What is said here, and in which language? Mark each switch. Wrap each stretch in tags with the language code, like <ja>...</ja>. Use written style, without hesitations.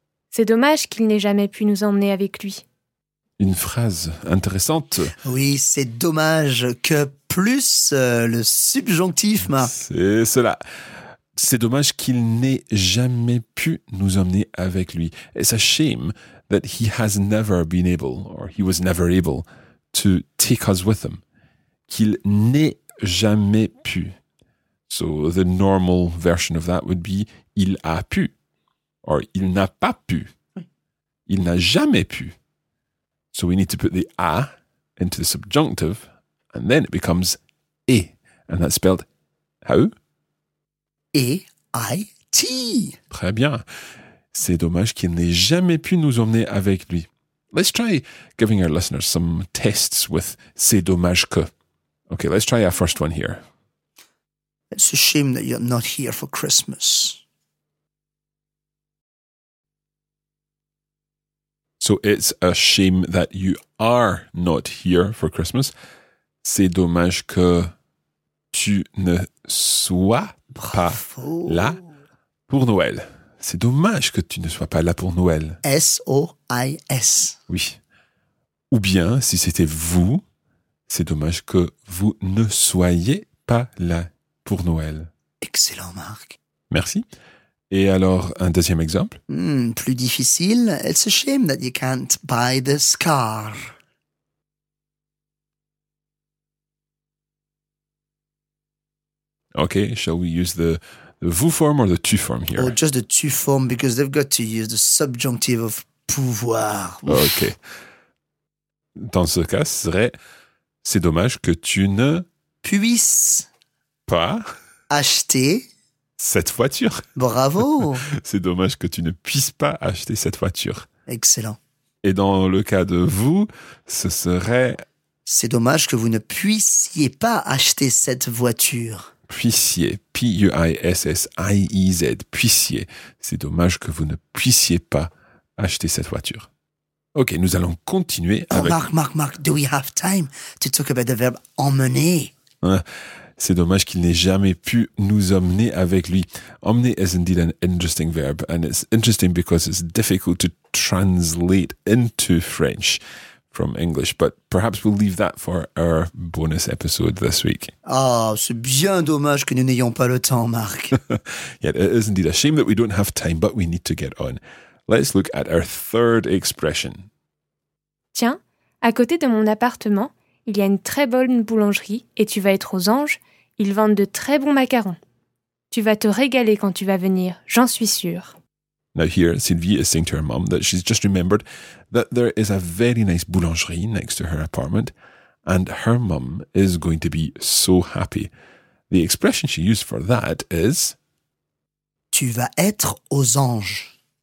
<fr>C'est dommage qu'il n'ait jamais pu nous emmener avec lui. Une phrase intéressante. Oui, c'est dommage que plus le subjonctif, Marc. C'est cela. C'est dommage qu'il n'ait jamais pu nous emmener avec lui.</fr> <en>It's a shame that he has never been able, or he was never able, to take us with him.</en> <fr>Qu'il n'ait jamais pu.</fr> <en>So the normal version of that would be</en> <fr>il a pu, or il n'a pas pu. Il n'a jamais pu.</fr> <en>So we need to put the a into the subjonctive, and then it becomes e, and that's spelled how? E-I-T.</en> <fr>Très bien. C'est dommage qu'il n'ait jamais pu nous emmener avec lui.</fr> <en>Let's try giving our listeners some tests with</en> <fr>c'est dommage que.</fr> <en>Okay, let's try our first one here. It's a shame that you're not here for Christmas. So it's a shame that you are not here for Christmas.</en> <fr>C'est dommage que tu ne sois pas là pour Noël. C'est dommage que tu ne sois pas là pour Noël. S-O-I-S. Oui. Ou bien, si c'était vous, c'est dommage que vous ne soyez pas là pour Noël. Excellent, Marc. Merci. Et alors, un deuxième exemple? Plus difficile.</fr> <en>It's a shame that you can't buy this car. Okay, shall we use the vous form or the tu form here? Oh, just the tu form, because they've got to use the subjonctive of pouvoir. Okay.</en> <fr>Dans ce cas, ce serait c'est dommage que tu ne puisses pas acheter cette voiture. Bravo. C'est dommage que tu ne puisses pas acheter cette voiture. Excellent. Et dans le cas de vous, ce serait c'est dommage que vous ne puissiez pas acheter cette voiture. Puissiez, P-U-I-S-S-I-E-Z, puissiez. C'est dommage que vous ne puissiez pas acheter cette voiture. Ok, nous allons continuer avec...</fr> <en>Oh, Marc, do we have time to talk about the verb emmener?</en> <fr>C'est dommage qu'il n'ait jamais pu nous emmener avec lui.</fr> <en>Emmener is indeed an interesting verb, and it's interesting because it's difficult to translate into French from English, but perhaps we'll leave that for our bonus episode this week.</en> <fr>Oh, c'est bien dommage que nous n'ayons pas le temps, Marc.</fr> <en>Yeah, it is indeed a shame that we don't have time, but we need to get on. Let's look at our third expression.</en> <fr>Tiens, à côté de mon appartement, il y a une très bonne boulangerie et tu vas être aux anges, ils vendent de très bons macarons. Tu vas te régaler quand tu vas venir, j'en suis sûre.</fr> <en>Now here, Sylvie is saying to her mom that she's just remembered that there is a very nice boulangerie next to her apartment and her mom is going to be so happy. The expression she used for that is...</en> <fr>Tu vas être aux anges.</fr>